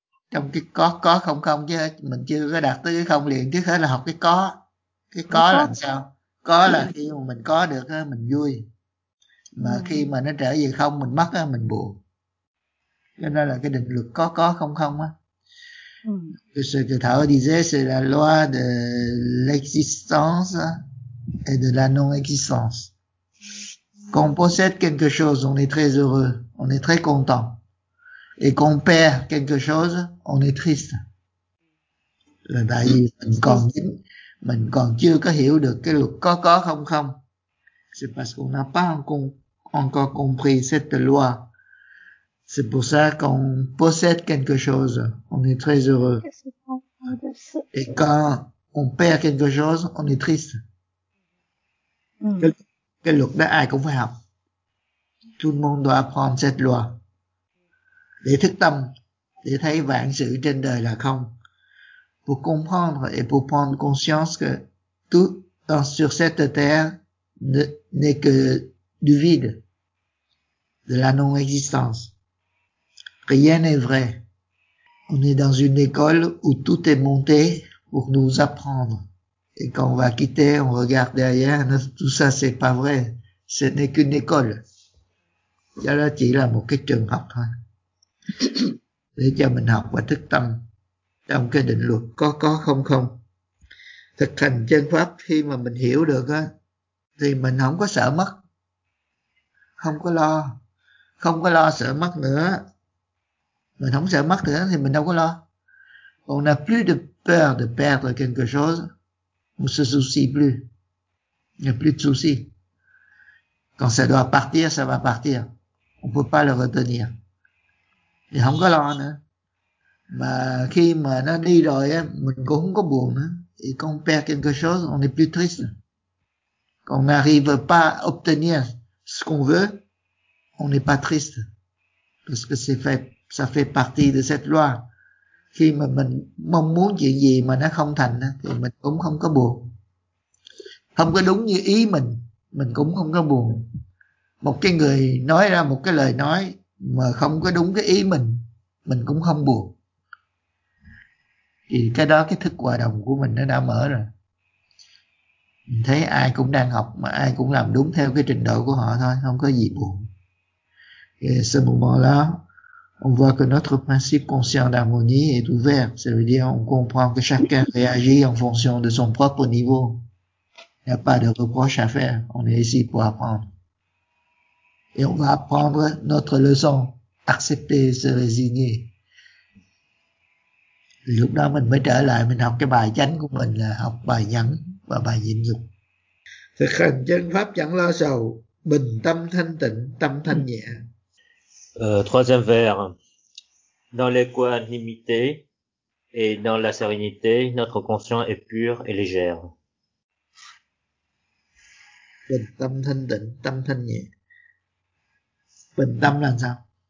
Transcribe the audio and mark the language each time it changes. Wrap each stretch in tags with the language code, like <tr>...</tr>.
<vi>Trong cái có không không chứ, mình chưa có đạt tới cái không liền, trước hết là học cái có. Cái có là sao? Có là khi mà mình có được mình vui, mà khi mà nó trở về không mình mất mình buồn. Cho nên là cái định luật có không không á.</vi> <fr>Ce que Thảo disait, c'est la loi de l'existence et de la non-existence. Quand on possède quelque chose, on est très heureux, on est très content. Et quand on perd quelque chose, on est triste.</fr> <vi>Là tại vì mình còn chưa có hiểu được cái luật có không không.</vi> <fr>C'est parce qu'on n'a pas encore compris cette loi. C'est pour ça qu'on possède quelque chose, on est très heureux. Et quand on perd quelque chose, on est triste.</fr> <vi>Cái luật đó ai cũng phải học.</vi> <fr>Tout le monde doit apprendre cette loi.</fr> <vi>Để thức tâm, để thấy vạn sự trên đời là không.</vi> <fr>Pour comprendre et pour prendre conscience que tout sur cette terre n'est que du vide, de la non-existence. Rien n'est vrai. On est dans une école où tout est monté pour nous apprendre. Et quand on va quitter, on regarde derrière, tout ça, c'est pas vrai. Ce n'est qu'une école.</fr> <vi>Do đó chỉ là một cái trường học thôi. Để cho mình học và thức tâm trong cái định luật có không không. Thực hành chân pháp khi mà mình hiểu được á, thì mình không có sợ mất. Không có lo. Không có lo sợ mất nữa. Mình không sợ mất nữa thì mình đâu có lo.</vi> <fr>On n'a plus de peur de perdre quelque chose. On se soucie plus. Il n'y a plus de soucis. Quand ça doit partir, ça va partir. On peut pas le retenir.</fr> <vi>Thì không có lo nữa. Mà khi mà nó đi rồi á, mình cũng không có buồn nữa.</vi> <fr>Et quand on perd quelque chose, on n'est plus triste. Quand on n'arrive pas à obtenir ce qu'on veut, on n'est pas triste. Parce que ça fait partie de cette loi.</fr> <vi>Khi mà mình mong muốn chuyện gì mà nó không thành thì mình cũng không có buồn. Không có đúng như ý mình cũng không có buồn. Một cái người nói ra một cái lời nói mà không có đúng cái ý mình cũng không buồn. Thì cái đó cái thức hòa đồng của mình nó đã mở rồi. Mình thấy ai cũng đang học mà ai cũng làm đúng theo cái trình độ của họ thôi, không có gì buồn.</vi> <fr>Et à ce moment-là, on voit que notre principe conscient d'harmonie est ouvert. Ça veut dire qu'on comprend que chacun réagit en fonction de son propre niveau. Il n'y a pas de reproche à faire. On est ici pour apprendre. Et on va apprendre notre leçon. Accepter et se résigner.</fr> <vi>Lúc đó mình mới trở lại, mình học cái bài chánh của mình là học bài nhẫn và bài nhịn nhục. Thực hành chân pháp chẳng lo sầu, bình tâm thanh tịnh, tâm thanh nhẹ.</vi> <fr>Troisième vers. Dans l'équanimité et dans la sérénité, notre conscience est pure et légère.</fr> <vi>Bình tâm thanh tịnh, tâm thanh nhẹ. Bình tâm là sao?</vi>